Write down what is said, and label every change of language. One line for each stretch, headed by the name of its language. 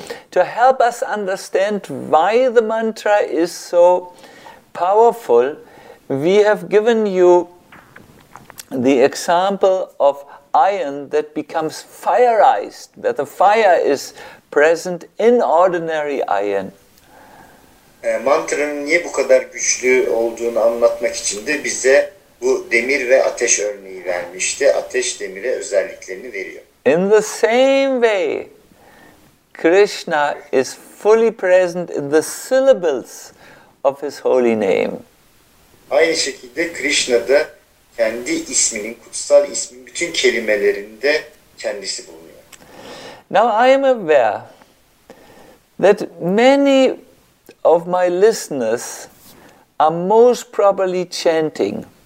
English: to help us understand why the mantra is so powerful, we have given you the example of iron that becomes fireized, that the fire is present in ordinary iron.
Turkish: Mantranın niye bu kadar güçlü olduğunu anlatmak için de bize bu demir ve ateş örneği vermişti. Ateş demire özelliklerini veriyor.
English: In the same way, Krishna is fully present in the syllables of his holy name.
Turkish: Aynı şekilde Krishna da kendi isminin, kutsal ismin bütün kelimelerinde kendisi bulunuyor.
English: Now I am aware that many of my listeners are most probably chanting.